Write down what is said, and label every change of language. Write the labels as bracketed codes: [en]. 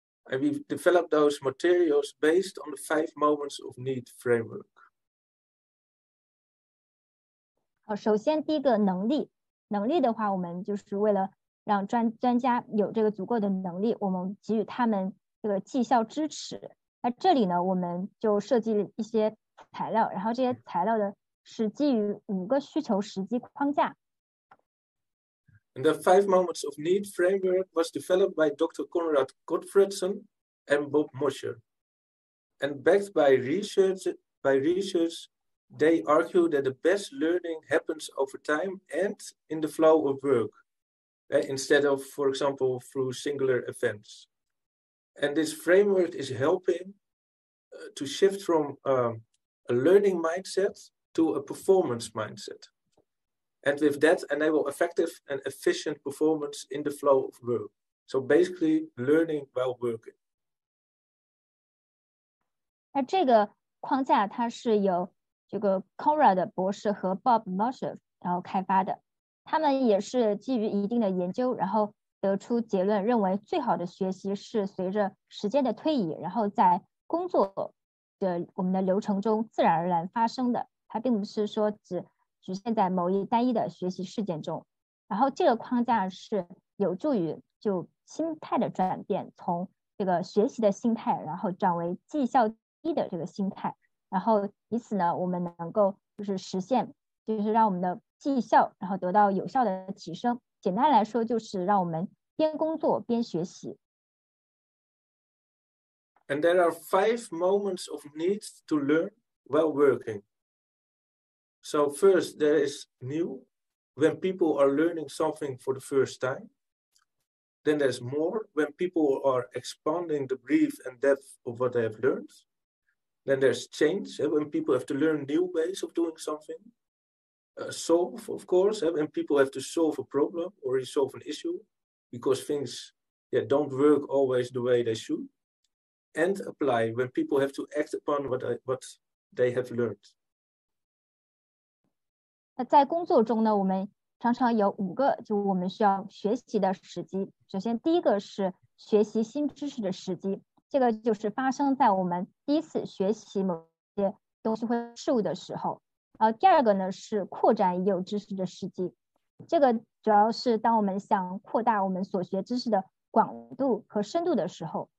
[en] And we developed those materials based on the 5 moments of need framework. [zh] 首先第一个能力的话，我们就是为了让专家有这个足够的能力，我们给予他们这个绩效支持。那这里呢，我们就设计了一些材料，然后这些材料呢是基于5需求时机框架。 [en] And the 5 moments of need framework was developed by Dr. Konrad Gottfriedson and Bob Mosher. And backed by research,they argue that the best learning happens over time and in the flow of work, instead of, for example, through singular events. And this framework is helping to shift from a learning mindset to a performance mindset. And with that, enable effective and efficient performance in the flow of work. So basically, learning while working. [zh] 这个框架它是有这个 Conrad 博士和 Bob Mosher 然后开发的，他们也是基于一定的研究，然后得出结论，认为最好的学习是随着时间的推移，然后在工作的我们的流程中自然而然发生的。它并不是说只局限在某一单一的学习事件中。然后这个框架是有助于就心态的转变，从这个学习的心态然后转为绩效低的这个心态，然后以此呢我们能够就是实现就是让我们的绩效然后得到有效的提升。简单来说就是让我们边工作边学习。 [en] And there are five moments of need to learn while working. So first, there is new, when people are learning something for the first time. Then there's more, when people are expanding the breadth and depth of what they have learned. Then there's change, when people have to learn new ways of doing something. Solve, of course, when people have to solve a problem or resolve an issue because things don't work always the way they should. And apply when people have to act upon what they have learned. [zh] 那在工作中呢，我们常常有五个就我们需要学习的时机。首先，第一个是学习新知识的时机，这个就是发生在我们第一次学习某些东西或事物的时候。第二个呢是扩展已有知识的时机，这个主要是当我们想扩大我们所学知识的广度和深度的时候。